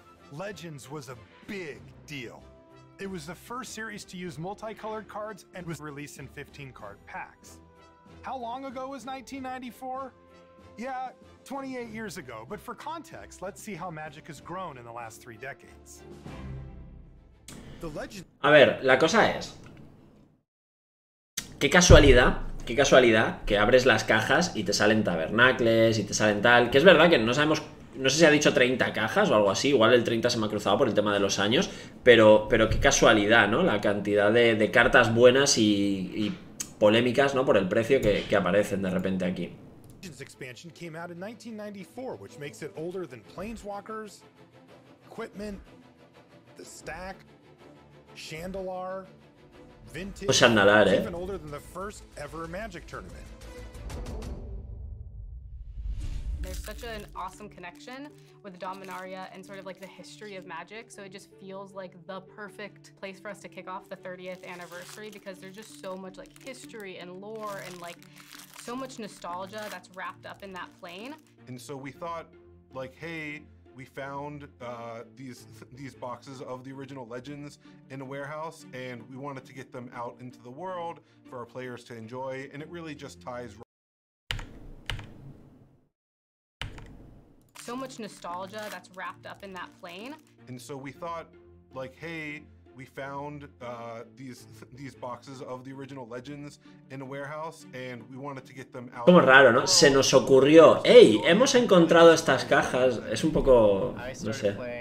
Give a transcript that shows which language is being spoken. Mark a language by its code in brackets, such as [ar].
[en] Legends was a big deal. It was the first series to use multicolored cards and was released in 15 card packs. How long ago was 1994? Yeah, 28 years ago, but for context, let's see how Magic has grown in the last 3 decades. [es] A ver, la cosa es, qué casualidad que abres las cajas y te salen tabernacles y te salen tal, que es verdad que no sabemos, no sé si ha dicho 30 cajas o algo así, igual el 30 se me ha cruzado por el tema de los años, pero qué casualidad, ¿no? La cantidad de cartas buenas y polémicas, ¿no? Por el precio que aparecen de repente aquí. [en] Expansion came out in 1994, which makes it older than Planeswalkers, Equipment, The Stack, Chandelar, Vintage, pues andalar, even older than the first ever Magic tournament. There's such an awesome connection with Dominaria and sort of like the history of Magic, so it just feels like the perfect place for us to kick off the 30th anniversary because there's just so much like history and lore and like so much nostalgia that's wrapped up in that plane. And so we thought, like, hey, we found these boxes of the original Legends in a warehouse, and we wanted to get them out into the world for our players to enjoy, and it really just ties. So much nostalgia that's wrapped up in that plane. And so we thought, like, hey, we found these boxes of the original Legends in a warehouse and we wanted to get them out. [es] Como raro, ¿no? Se nos ocurrió, hey, hemos encontrado estas cajas. Es un poco, no sé.